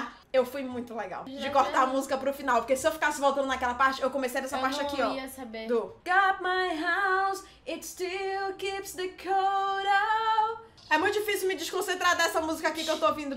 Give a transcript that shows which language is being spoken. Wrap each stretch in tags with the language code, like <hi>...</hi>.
<pt>Eu fui muito legal de cortar a música pro final. Porque se eu ficasse voltando naquela parte, eu começaria essa eu parte aqui, ó. Eu não ia saber. Do.</pt> <en>Got my house, it still keeps the cold out.</en> <pt>É muito difícil me desconcentrar dessa música aqui que eu tô ouvindo.</pt>